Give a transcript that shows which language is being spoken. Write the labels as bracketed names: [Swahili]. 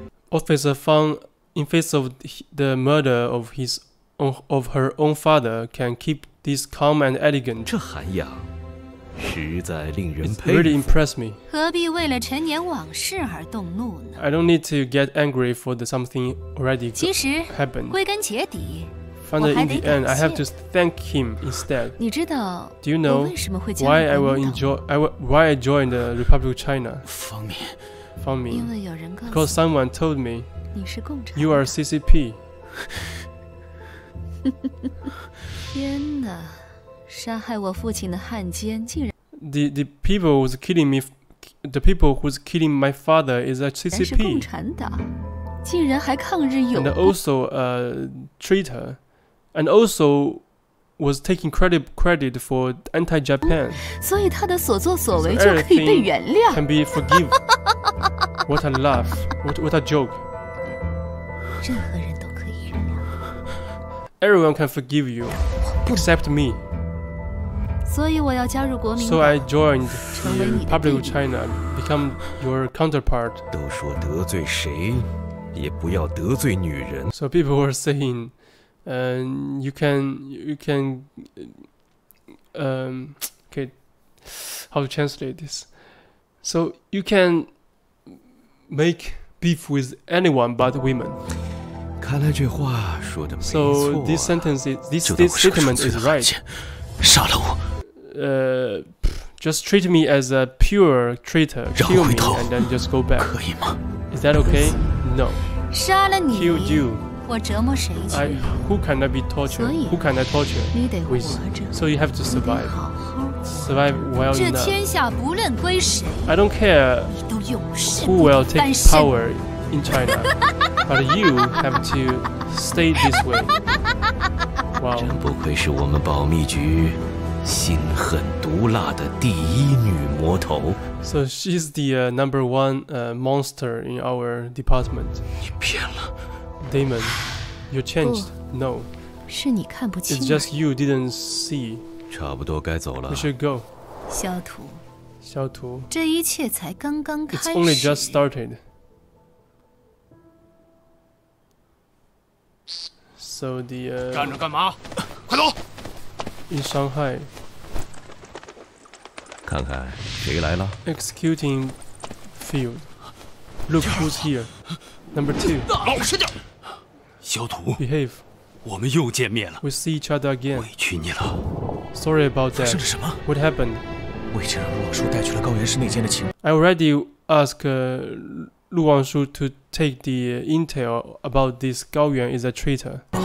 [English] Officer Fang, in face of the murder of his own, of her own father, can keep this calm and elegant. [Chinese] 这涵养实在令人佩服。 [English] It really impressed me. [Chinese] 何必为了陈年往事而动怒呢？ [English] I don't need to get angry for the something already happened. [Chinese] 其实 [English] happened. [Chinese] 归根结底 [English] Finally, in the end, I have to thank him instead. [Chinese] 你知道 [English] Do you know why I will enjoy, why I joined the Republic of China? Fang Min. Fang Min. [Chinese] 因为有人告诉 [English] Because someone told me, [Chinese] 你是共产 [English] you are CCP. [Chinese] 天哪，杀害我父亲的汉奸竟然 [English] the people who's killing me, the people who's killing my father is a CCP. [Chinese] 是共产党竟然还抗日有功 [English] And also a traitor And also was taking credit for anti-Japan [Chinese] 所以他的所作所为就可以被原谅 [English] Can be forgiven What a laugh What a joke [Chinese] 任何人都可以原谅 [English] Everyone can forgive you Except me [Chinese] 所以我要加入国民党 [English] So I joined the Republic of China Become your counterpart [Chinese] 都说得罪谁也不要得罪女人 [English] So people were saying you can okay how to translate this So you can make beef with anyone but women [Chinese] 看来这话说的没错 [English] So this sentence is this statement is right [Chinese] 杀了我 [English] just treat me as a pure traitor [Chinese] 让我回头 [English] kill me and then just go back [Chinese] 可以吗 [English] Is that okay? No [Chinese] 杀了你 [English] Killed you [Chinese] 我折磨谁去 [English] Who can I be tortured? Who can I torture? [Chinese] 你得活着 [English] So you have to survive [Chinese] 好好 [English] Survive well enough [Chinese] 这天下不论归谁 [English] I don't care [Chinese] 你都永世不翻身 [English] Who will take power in China But you have to stay this way Wow [Chinese] 真不愧是我们保密局心狠毒辣的第一女魔头 [English] So she's the number one monster in our department [Chinese] 你变了 [English] Damon You changed No [Chinese] 是你看不清 [English] It's just you didn't see [Chinese] 差不多该走了 [English] We should go [Chinese] 消徒消徒这一切才刚刚开始 [English] It's only just started So the [Chinese] 站着干嘛快走 [English] In Shanghai [Chinese] 看看谁来了 [English] Executing field Look who's here Number two [Chinese] 老实点小徒 [English] Behave [Chinese] 我们又见面了 [English] We see each other again [Chinese] 委屈你了 [English] Sorry about that [Chinese] 发生了什么 [English] What happened [Chinese] 为这让陆王叔带去了高原市内间的情报 [English] I already asked 陆王叔 to take the intel about this 高原 is a traitor